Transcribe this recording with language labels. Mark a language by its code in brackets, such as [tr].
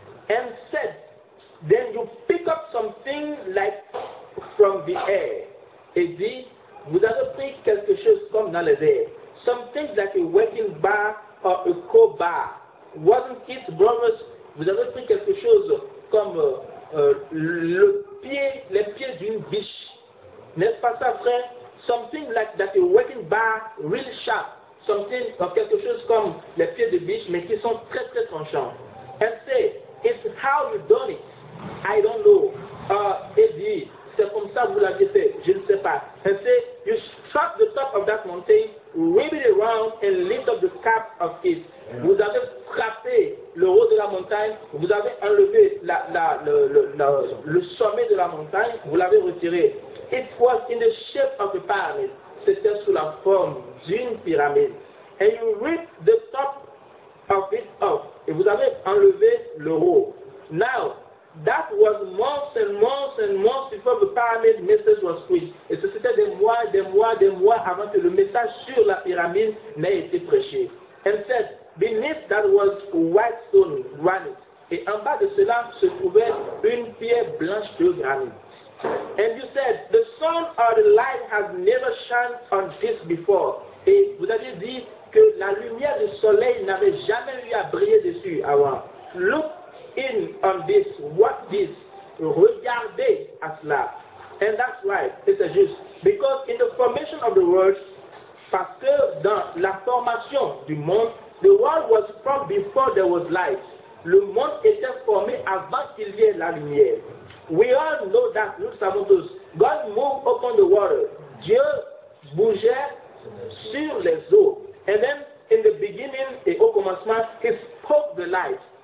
[en] And said, then you pick up something like from the air. [fr] Et dit, vous avez pris quelque chose comme dans les airs. [en] Something like a working bar or a co-bar. Wasn't it brothers? [fr] Vous avez pris quelque chose comme les pieds d'une biche. N'est-ce pas ça, frère? [en] Something like that a working bar, real sharp. [fr] Something, quelque chose comme les pieds de biche, mais qui sont très, très tranchants. [en] And say, it's how you done it. I don't know. [fr] Et dit, c'est comme ça que vous l'avez fait. Je ne sais pas. [en] And say, you struck the top of that mountain, rip it around, and lift up the cap of it. [fr] Vous avez frappé le haut de la montagne, vous avez enlevé le sommet de la montagne, vous l'avez retiré. [en] It was in the shape of a pyramid. [fr] C'était sous la forme d'une pyramide. [en] And you ripped the top of it off. [fr] Et vous avez enlevé le haut. [en] Now, that was months and months and months before the pyramid message was preached. [fr] Et ce, c'était des mois avant que le message sur la pyramide n'ait été prêché. [en] And said, beneath that was white stone granite. [fr] Et en bas de cela se trouvait une pierre blanche de granit. [en] And you said, the sun or the light has never shone on this before. [fr] Et vous avez dit que la lumière du soleil n'avait jamais eu à briller dessus avant. [en] Look in on this, watch this. [fr] Regardez à cela. [en] And that's right, [fr] c'est juste. [en] Because in the formation of the world, [fr] parce que dans la formation du monde, [en] the world was formed before there was light. [fr] Le monde était formé avant qu'il y ait la lumière. [en] We all know that, [fr] nous savons tous. [en] God moved upon the water. [fr] Dieu bougeait sur les eaux. [en] And then, in the beginning, [fr] et au commencement, [en] he spoke the light.